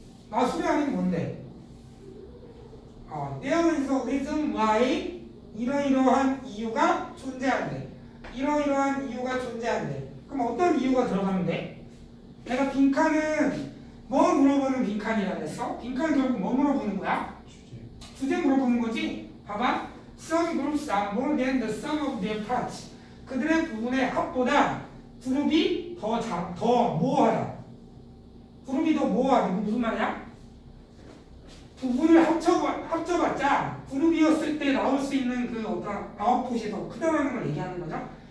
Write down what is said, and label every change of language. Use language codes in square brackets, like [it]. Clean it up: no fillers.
[ko] 마술이 아닌 뭔데? [en] There is a reason why [ko] 이러이러한 이유가 존재한대. 이러이러한 이유가 존재한대. 그럼 어떤 이유가 들어가는데? 내가 빈칸은 뭐 물어보는 빈칸이라고 했어? 빈칸은 결국 뭐 물어보는 거야? 주제 물어보는 거지? 봐봐. [en] Some groups are more than the sum of their parts. [ko] 그들의 부분의 합보다 그룹이 더 모호하다. 그룹이 더 모호하다. 이게 무슨 말이야? 부분을 합쳐봤자 그룹이었을 때 나올 수 있는 그 어떤 아웃풋이 더 크다라는 걸 얘기하는 거죠.